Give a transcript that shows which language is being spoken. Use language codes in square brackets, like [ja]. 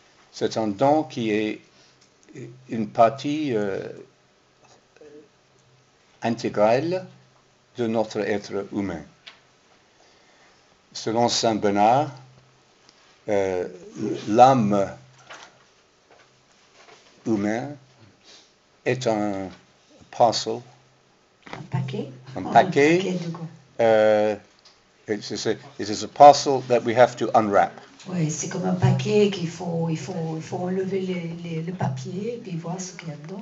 [fr] C'est un don qui est une partie intégrale de notre être humain. Selon Saint Bernard, l'âme humain est un parcel, un paquet. [en] It is a parcel that we have to unwrap. [fr] Oui, c'est comme un paquet qu'il faut, il faut enlever le papier et voir ce qu'il y a dedans.